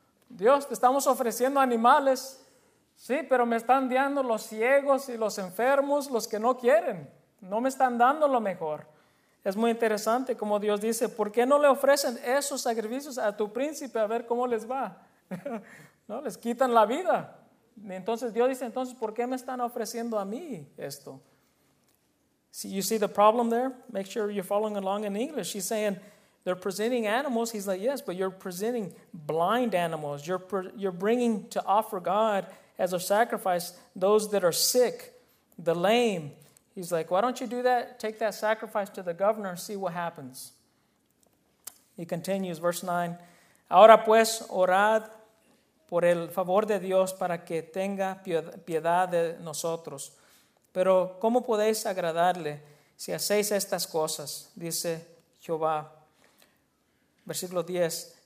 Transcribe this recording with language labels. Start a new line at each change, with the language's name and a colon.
Spanish: Dios, te estamos ofreciendo animales. Sí, pero me están dando los ciegos y los enfermos, los que no quieren. No me están dando lo mejor. Es muy interesante como Dios dice, ¿por qué no le ofrecen esos sacrificios a tu príncipe a ver cómo les va? No, les quitan la vida. Y entonces Dios dice, entonces, ¿por qué me están ofreciendo a mí esto?
English: See, you see the problem there? Make sure you're following along in English. He's saying, they're presenting animals. He's like, yes, but you're presenting blind animals. You're bringing to offer God as a sacrifice, those that are sick, the lame. He's like, why don't you do that? Take that sacrifice to the governor and see what happens. He continues, verse 9.
Spanish: Ahora pues, orad por el favor de Dios para que tenga piedad de nosotros. Pero, ¿cómo podéis agradarle si hacéis estas cosas? Dice Jehová. Versículo 10.